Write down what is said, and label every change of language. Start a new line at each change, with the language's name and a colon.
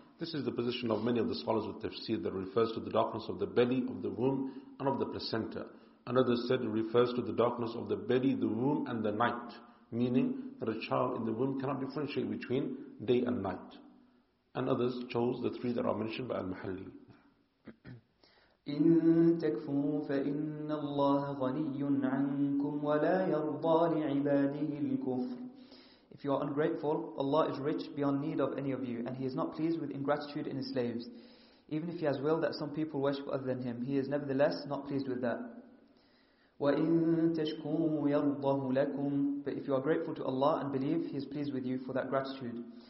English: This is the position of many of the scholars with tafsir that refers to the darkness of the belly, of the womb, and of the placenta. Another said it refers to the darkness of the belly, the womb, and the night, meaning that a child in the womb cannot differentiate between day and night. And others chose the three that are mentioned by Al-Muhalli.
Arabic: إن تكفوا فإن الله غني عنكم ولا يرضى لعباده الكفر.
English: If you are ungrateful, Allah is rich beyond need of any of you, and He is not pleased with ingratitude in His slaves. Even if He has willed that some people worship other than Him, He is nevertheless not pleased with that.
Arabic: وَإِن تَشْكُرُوا يَرْضَهُ لَكُمْ.
English: But if you are grateful to Allah and believe, He is pleased with you for that gratitude.